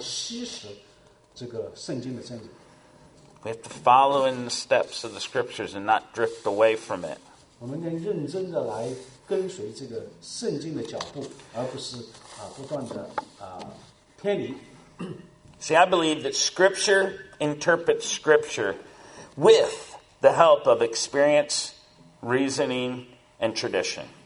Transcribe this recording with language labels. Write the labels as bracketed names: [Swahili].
[Chinese] 我们应该很认真地来思考他们是怎么样来吸食这个圣经的真理。 [English] We have to follow in the steps of the scriptures and not drift away from it. [Chinese] 我们应该认真地来跟随这个圣经的脚步，而不是不断地偏离。 [English] See, I believe that scripture interprets scripture with the help of experience, reasoning, and tradition.